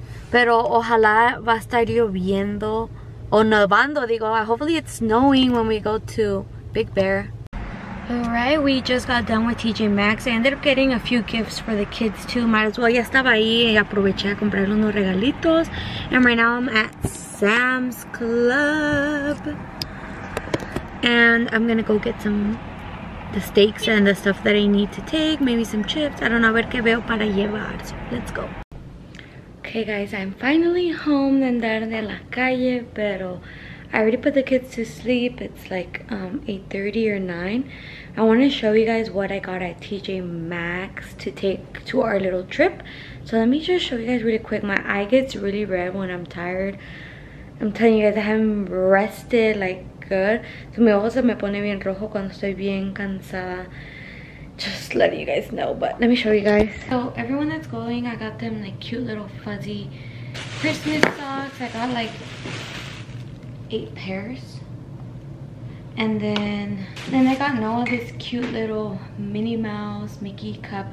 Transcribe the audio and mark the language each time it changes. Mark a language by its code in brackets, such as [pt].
[es] Pero ojalá va a estar lloviendo o nevando, digo. [en] Hopefully it's snowing when we go to Big Bear. Alright, we just got done with TJ Maxx. I ended up getting a few gifts for the kids too. Might as well, [es] ya estaba ahí y aproveché a comprar unos regalitos. [en] And right now I'm at Sam's Club. And I'm gonna go get the steaks and the stuff that I need to take. Maybe some chips. I don't know, [es] a ver qué veo para llevar. [en] So let's go. Okay guys, I'm finally home, [es] andar de la calle, pero [en] I already put the kids to sleep. It's 8:30 or 9. I want to show you guys what I got at TJ Maxx to take to our little trip. So let me just show you guys really quick. My eye gets really red when I'm tired. I'm telling you guys, I haven't rested good. [es] So mi ojo se me pone bien rojo cuando estoy bien cansada. [en] Just letting you guys know, but let me show you guys. So everyone that's going, I got them cute little fuzzy Christmas socks. I got 8 pairs. And then I got Noah this cute little Minnie Mouse Mickey cup.